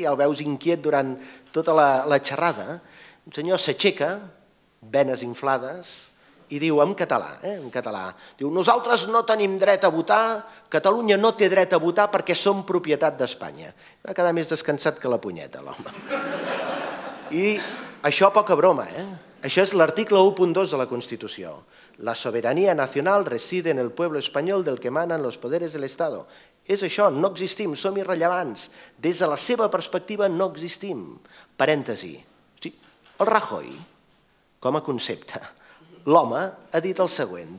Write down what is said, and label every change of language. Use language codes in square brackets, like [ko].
[ca] Ja el veus inquiet durant tota la xerrada. Un senyor s'aixeca, venes inflades, i diu en català, eh? En català. Diu, nosaltres no tenim dret a votar, Catalunya no té dret a votar perquè som propietat d'Espanya. Va quedar més descansat que la punyeta, l'home. I això poca broma, eh? Això és l'article 1.2 de la Constitució. [es] La soberania nacional reside en el pueblo español del que emanan los poderes del Estado. [ca] És això, no existim, som irrellevants. Des de la seva perspectiva no existim. Parèntesi. El Rajoy, com a concepte, l'home ha dit el següent.